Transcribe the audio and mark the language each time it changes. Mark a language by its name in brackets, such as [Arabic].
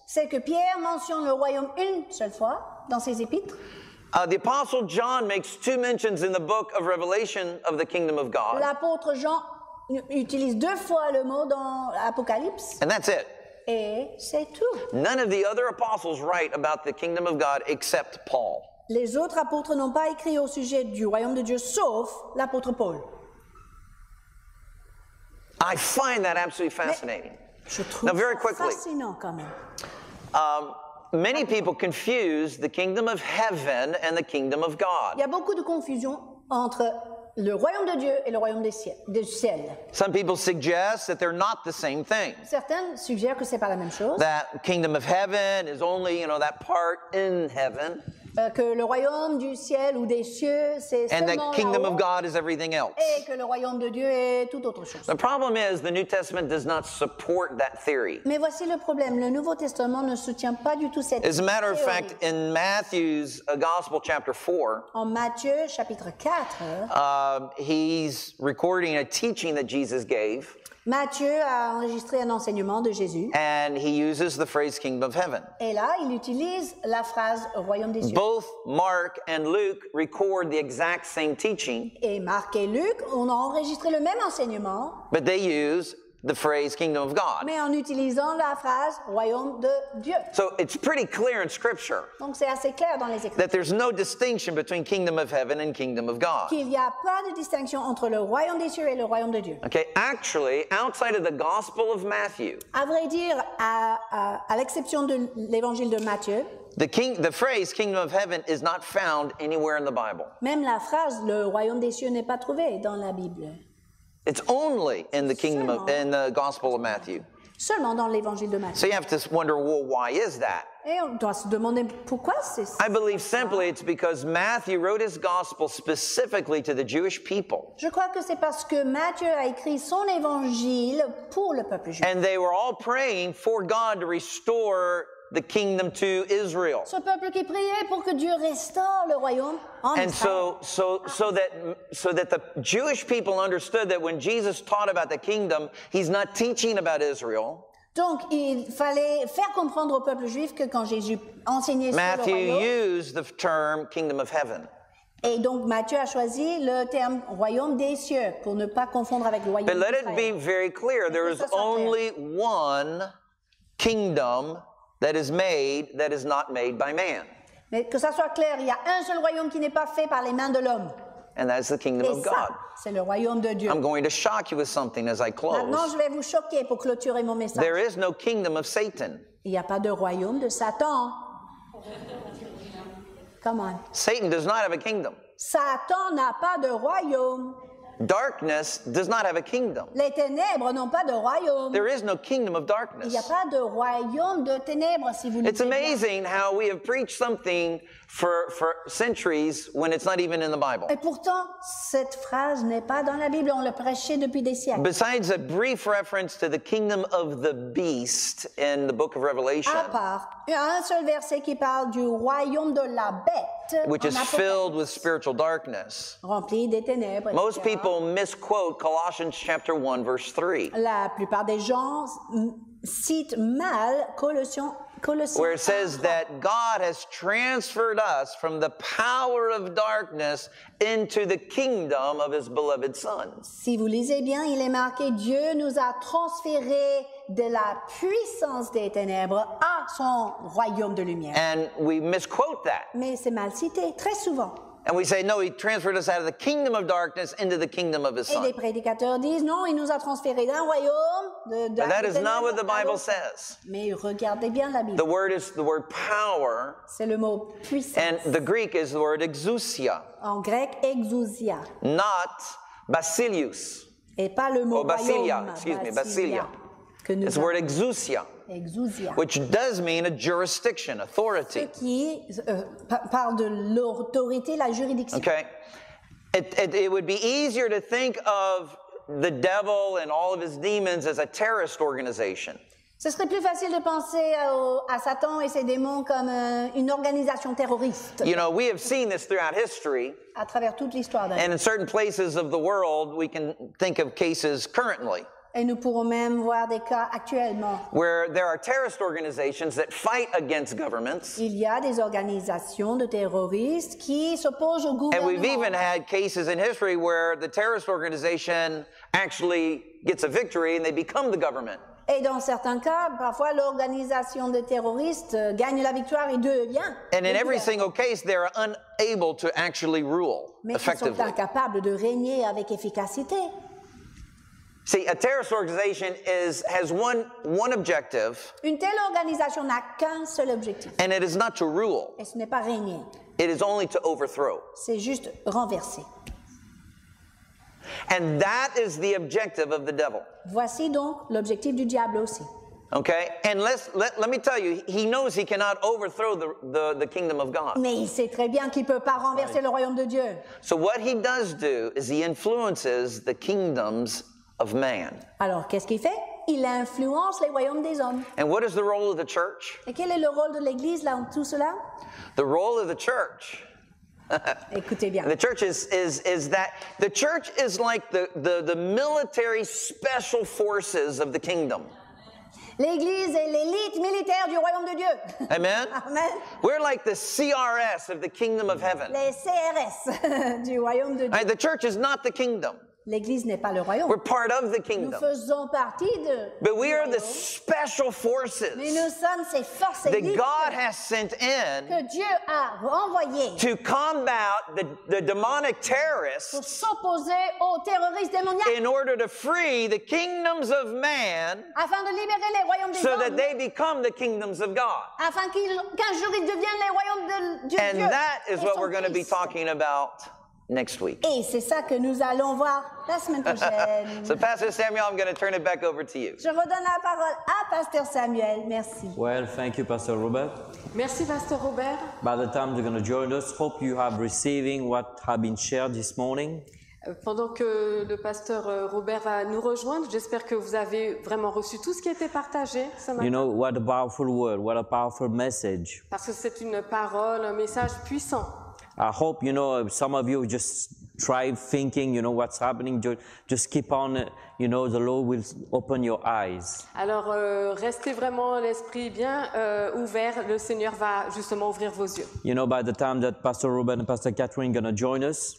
[French] C'est que Pierre mentionne le royaume une seule fois dans ses épîtres. [English] The Apostle John makes two mentions in the book of Revelation of the kingdom of God. [French] L'apôtre Jean utilise deux fois le mot dans l'Apocalypse. [English] And that's it. [French] Et c'est tout. [English] None of the other apostles write about the kingdom of God except Paul. [French] Les autres apôtres n'ont pas écrit au sujet du royaume de Dieu sauf l'apôtre Paul. [English] I find that absolutely fascinating. Now, very quickly. [French] Fascinant quand même. [English] Many people confuse the kingdom of heaven and the kingdom of God. [French] Il y a beaucoup de confusion entre le royaume de Dieu et le royaume du ciel. [English] Some people suggest that they're not the same thing. [French] Certains suggèrent que c'est pas la même chose. [English] That kingdom of heaven is only, you know, that part in heaven. [French] Que le royaume du ciel ou des cieux, c'est seulement là-haut. [English] And the kingdom of God is everything else. [French] Et que le royaume de Dieu est tout autre chose. [English] The problem is, the New Testament does not support that theory. [French] Mais voici le problème. Le Nouveau Testament ne soutient pas du tout cette théorie. [English] As a matter of fact, in Matthew's Gospel chapter 4, [French] en Matthieu, chapitre 4, [English] he's recording a teaching that Jesus gave. [French] Matthieu a enregistré un enseignement de Jésus. [English] And he uses the phrase kingdom of heaven. [French] Et là, il utilise la phrase royaume des cieux. [English] Both Mark and Luke record the exact same teaching. [French] Et Marc et Luc ont enregistré le même enseignement. [English] But they use the phrase kingdom of God. [French] Mais en utilisant la phrase royaume de Dieu. [English] So it's pretty clear in scripture. [French] Donc c'est assez clair dans les écritures. [English] That there's no distinction between kingdom of heaven and kingdom of God. [French] Qu'il y a pas de distinction entre le royaume des cieux et le royaume de Dieu. [English] Okay, actually, outside of the gospel of Matthew. [French] À vrai dire, à l'exception de l'évangile de Matthieu. [English] The phrase kingdom of heaven is not found anywhere in the Bible. [French] Même la phrase le royaume des cieux n'est pas trouvée dans la Bible. [English] It's only in the kingdom of, in the Gospel of Matthew. [French] Seulement dans l'évangile de Matthieu. [English] So you have to wonder, well, why is that? [French] Et on doit se demander pourquoi c'est ça. [English] I believe simply it's because Matthew wrote his gospel specifically to the Jewish people. [French] Je crois que c'est parce que Matthieu a écrit son évangile pour le peuple juif. [English] And they were all praying for God to restore the kingdom to Israel. [French] Ce peuple qui priait pour que Dieu restaure le royaume en [English] Israël. And so that the Jewish people understood that when Jesus taught about the kingdom, he's not teaching about Israel. [French] Donc il fallait faire comprendre au peuple juif que quand Jésus enseignait sur [English] Matthew [French] le royaume, [English] Matthew used the term kingdom of heaven. [French] Et donc Matthieu a choisi le terme royaume des cieux pour ne pas confondre avec le royaume d'Israël. [English] But let it be very clear, there is only one kingdom that is made, that is not made by man. [French] Mais que ça soit clair, il y a un seul royaume qui n'est pas fait par les mains de l'homme. [English] And that's the kingdom of God. [French] C'est le royaume de Dieu. [English] I'm going to shock you with something as I close. [French] Maintenant, je vais vous choquer pour clôturer mon message. [English] There is no kingdom of Satan. [French] Il n'y a pas de royaume de Satan. [English] Come on. Satan does not have a kingdom. [French] Satan n'a pas de royaume. [English] Darkness does not have a kingdom. [French] Les ténèbres n'ont pas de royaume. [English] There is no kingdom of darkness. [French] Il n'y a pas de royaume de ténèbres, si vous le [English] It's amazing [French] bien. [English] How we have preached something for centuries when it's not even in the Bible. [French] Et pourtant, cette phrase n'est pas dans la Bible. On l'a prêchée depuis des siècles. [English] Besides a brief reference to the kingdom of the beast in the book of Revelation. [French] À part, il y a un seul verset qui parle du royaume de la bête. [English] Which is filled with spiritual darkness. [French] Rempli des ténèbres, [English] etc. Most people misquote Colossians chapter 1 verse 3. [French] La plupart des gens citent mal Colossiens [English] where it says that God has transferred us from the power of darkness into the kingdom of his beloved son. [French] Si vous lisez bien, il est marqué Dieu nous a transféré de la puissance des ténèbres à son royaume de lumière. [English] And we misquote that. [French] Mais c'est mal cité très souvent. [English] And we say no, he transferred us out of the kingdom of darkness into the kingdom of his son. [French] Et les prédicateurs disent non, il nous a transféré d'un royaume de [English] But that is not what the Bible says. [French] Mais regardez bien la Bible. [English] The word is the word power. [French] C'est le mot puissance. [English] And the Greek is the word exousia. [French] En grec exousia. [English] Not basileus. [French] Et pas le mot basilia, royaume. [English] Excuse me, basilia. It's the word exousia, [French] exousia, [English] which does mean a jurisdiction, authority. [French] Ce qui parle de l'autorité, la juridiction. [English] Okay. It would be easier to think of the devil and all of his demons as a terrorist organization. [French] Ce serait plus facile de penser à Satan et ses démons comme une organisation terroriste. [English] You know, we have seen this throughout history. [French] À travers toute l'histoire. [English] And in certain places of the world, we can think of cases currently. [French] Et nous pourrons même voir des cas actuellement. [English] Where there are terrorist organizations that fight against governments. [French] Il y a des organisations de terroristes qui s'opposent au gouvernement. [English] And we've even had cases in history where the terrorist organization actually gets a victory and they become the government. [French] Et dans certains cas, parfois l'organisation de terroristes gagne la victoire et devient. [English] And in every single case, they are unable to actually rule effectively. [French] Mais ils sont incapables de régner avec efficacité. [English] See, a terrorist organization has one objective. [French] Une telle organisation n'a qu'un seul objectif. [English] And it is not to rule. [French] Et ce n'est pas régner. [English] It is only to overthrow. [French] C'est juste renverser. [English] And that is the objective of the devil. [French] Voici donc l'objectif du diable aussi. [English] Okay, and let me tell you, he knows he cannot overthrow the kingdom of God. [French] Mais il sait très bien qu'il peut pas renverser [English] right. [French] le royaume de Dieu. [English] So what he does do is he influences the kingdoms. Of man. [French] Alors, qu'est-ce qu'il fait? Il influence les royaumes des hommes. [English] And what is the role of the church? [French] Et quel est le rôle de l'église là en tout cela? [English] The role of the church. [French] Écoutez bien. [English] The church is that the church is like the military special forces of the kingdom. [French] L'église est l'élite militaire du royaume de Dieu. [English] Amen. [French] Amen. [English] We're like the CRS of the kingdom of heaven. [French] Les CRS du royaume de Dieu. [English] Right, the church is not the kingdom. [French] L'église n'est pas le royaume. [English] We're part of the kingdom. [French] Nous faisons partie de [English] But we are the special forces. [French] Mais nous sommes ces forces [English] that God has sent in [French] que Dieu a envoyé [English] to combat the demonic terrorists [French] pour s'opposer aux terroristes démoniaques [English] in order to free the kingdoms of man [French] afin de libérer les royaumes des [English] so [French] hommes [English] that they become the kingdoms of God. [French] Afin qu'un jour ils deviennent les royaumes de Dieu. [English] And that is what we're going to be talking about. Next week. [French] Et c'est ça que nous allons voir la semaine prochaine. [English] So Pastor Samuel, I'm going to turn it back over to you. [French] Je redonne la parole à Pasteur Samuel. Merci. [English] Well, thank you, Pastor Robert. [French] Merci, Pasteur Robert. [English] By the time you're going to join us, hope you have receiving what has been shared this morning. [French] Pendant que le pasteur Robert va nous rejoindre, j'espère que vous avez vraiment reçu tout ce qui a été partagé ce matin. [English] You know, what a powerful word, what a powerful message. [French] Parce que c'est une parole, un message puissant. [English] I hope, you know, some of you just try thinking, you know, what's happening. Just keep on, you know, the Lord will open your eyes. [French] Alors, restez vraiment l'esprit bien ouvert. Le Seigneur va justement ouvrir vos yeux. [English] You know, by the time that Pastor Robert and Pastor Kathryn are going to join us.